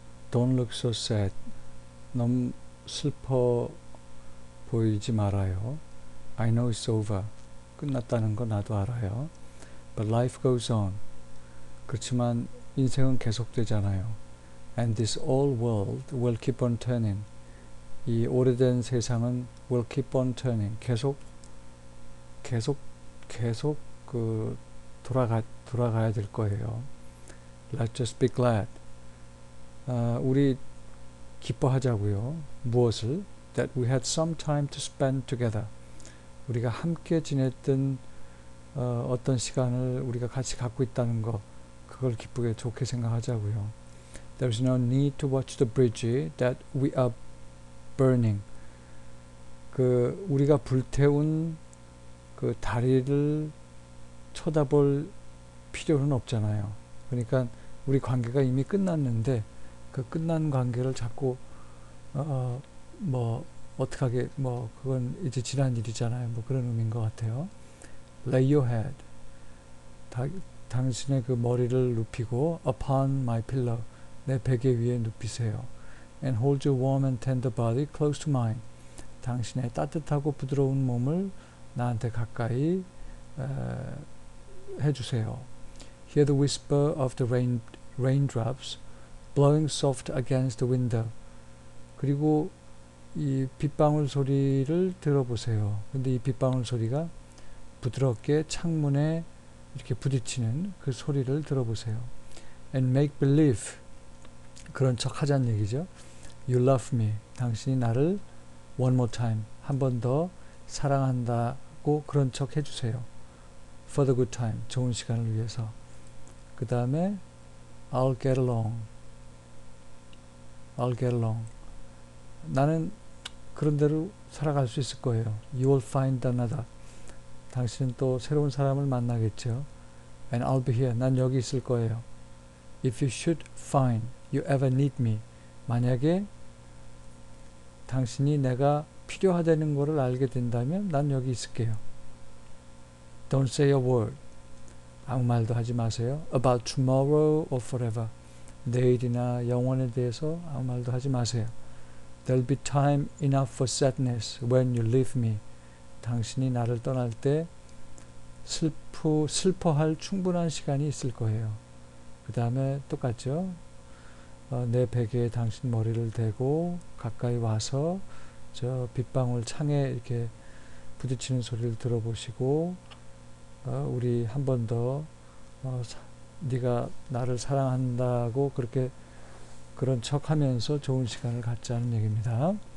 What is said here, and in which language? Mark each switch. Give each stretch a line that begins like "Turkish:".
English: Don't look so sad.
Korean: 너무 슬퍼 보이지 말아요.
English: I know it's over.
Korean: 끝났다는 거 나도 알아요.
English: But life goes on.
Korean: 그렇지만 인생은 계속되잖아요.
English: And this old world will keep on turning.
Korean: 이 오래된 세상은
English: will keep on turning.
Korean: 계속 그 돌아가야 될 거예요.
English: Let's just be glad.
Korean: 우리 기뻐하자고요. 무엇을?
English: That we had some time to spend together.
Korean: 우리가 함께 지냈던 어떤 시간을 우리가 같이 갖고 있다는 거, 그걸 기쁘게 좋게 생각하자고요.
English: There's no need to watch the bridge that we are burning.
Korean: 그 우리가 불태운 그 다리를 쳐다볼 필요는 없잖아요. 그러니까 우리 관계가 이미 끝났는데 그 끝난 관계를 자꾸 뭐 어떡하게 뭐 그건 이제 지난 일이잖아요. 뭐 그런 의미인 것 같아요.
English: Lay your head.
Korean: 당신의 그 머리를 눕히고
English: upon my pillow.
Korean: 내 베개 위에 눕히세요.
English: And hold your warm and tender body close to mine.
Korean: 당신의 따뜻하고 부드러운 몸을 나한테 가까이 해주세요.
English: Hear the whisper of the raindrops blowing soft against the window.
Korean: 그리고 이 빗방울 소리를 들어보세요. 근데 이 빗방울 소리가 부드럽게 창문에 이렇게 부딪히는 그 소리를 들어보세요.
English: And make believe.
Korean: 그런 척 하자는 얘기죠.
English: You love me.
Korean: 당신이 나를
English: one more time.
Korean: 한번더 사랑한다고 그런 척 해주세요.
English: For the good time.
Korean: 좋은 시간을 위해서. 그 다음에,
English: I'll get along. I'll get along.
Korean: 나는 그런대로 살아갈 수 있을 거예요.
English: You will find another.
Korean: 당신은 또 새로운 사람을 만나겠죠.
English: And I'll be here.
Korean: 난 여기 있을 거예요.
English: If you should find you ever need me.
Korean: 만약에 당신이 내가 필요하다는 거를 알게 된다면 난 여기 있을게요.
English: Don't say a word.
Korean: 아무 말도 하지 마세요.
English: About tomorrow or forever.
Korean: 내일이나 영원에 대해서 아무 말도 하지 마세요.
English: There'll be time enough for sadness when you leave me.
Korean: 당신이 나를 떠날 때 슬퍼할 충분한 시간이 있을 거예요. 그 다음에 똑같죠. 내 베개에 당신 머리를 대고 가까이 와서 저 빗방울 창에 이렇게 부딪히는 소리를 들어보시고 우리 한번더 네가 나를 사랑한다고 그렇게 그런 척하면서 좋은 시간을 갖자는 얘기입니다.